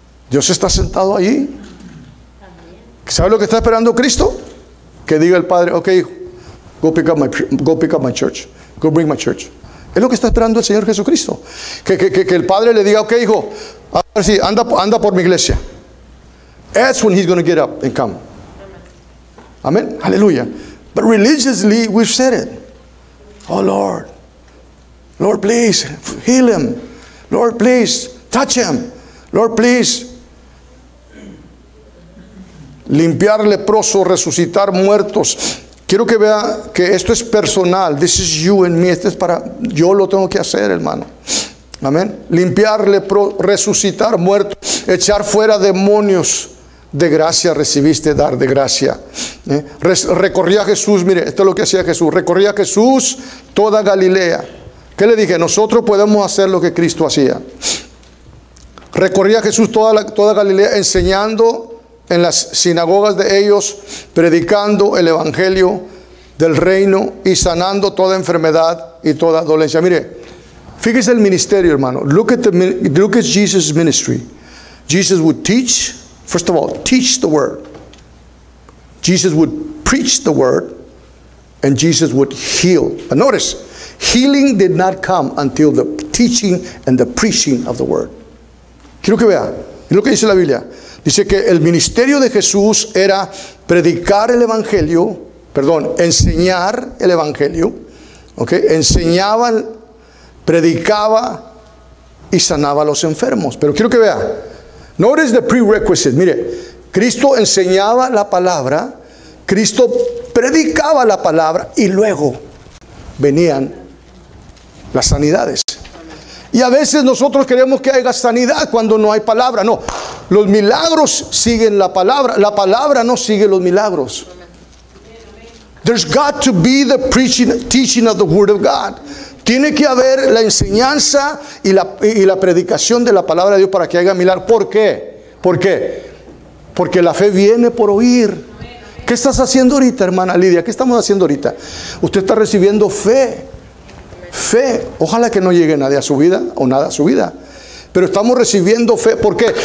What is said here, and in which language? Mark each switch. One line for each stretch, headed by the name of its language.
Spanish: Dios está sentado allí. ¿Sabe lo que está esperando Cristo? Que diga el Padre, ok, hijo,
English: go pick up my church. Go bring my church.
Spanish: Es lo que está esperando el Señor Jesucristo. Que el Padre le diga, ok, hijo, a ver si anda por mi iglesia.
English: That's when he's going to get up and come.
Spanish: Amén. Aleluya.
English: But religiously, we've said it. Oh, Lord. Lord, please, heal him. Lord, please, touch him. Lord, please.
Spanish: Limpiar leproso, resucitar muertos. Quiero que vea que esto es personal.
English: This is you and me.
Spanish: Este es para, yo lo tengo que hacer, hermano. Amén. Limpiar leproso, resucitar muertos, echar fuera demonios. De gracia recibiste, dar de gracia. Recorría Jesús, mire, esto es lo que hacía Jesús. Recorría Jesús toda Galilea. ¿Qué le dije? Nosotros podemos hacer lo que Cristo hacía. Recorría Jesús toda Galilea enseñando en las sinagogas de ellos, predicando el evangelio del reino y sanando toda enfermedad y toda dolencia. Mire, fíjese el ministerio, hermano.
English: Look at Jesus' ministry. Jesus would teach, first of all, teach the word. Jesus would preach the word, and Jesus would heal. But notice, healing did not come until the teaching and the preaching of the word.
Spanish: Quiero que vea. Mira lo que dice la Biblia. Dice que el ministerio de Jesús era predicar el evangelio, perdón, enseñar el evangelio, okay, enseñaba, predicaba y sanaba a los enfermos. Pero quiero que vea,
English: notice the prerequisite,
Spanish: mire, Cristo enseñaba la palabra, Cristo predicaba la palabra y luego venían las sanidades. Y a veces nosotros queremos que haya sanidad cuando no hay palabra. No, los milagros siguen la palabra. La palabra no sigue los milagros.
English: There's got to be the preaching, teaching of the word of God.
Spanish: Tiene que haber la enseñanza y la predicación de la palabra de Dios para que haya milagro. ¿Por qué? ¿Por qué? Porque la fe viene por oír. ¿Qué estás haciendo ahorita, hermana Lidia? ¿Qué estamos haciendo ahorita? Usted está recibiendo fe. Fe, ojalá que no llegue nadie a su vida o nada a su vida, pero estamos recibiendo fe. ¿Por qué?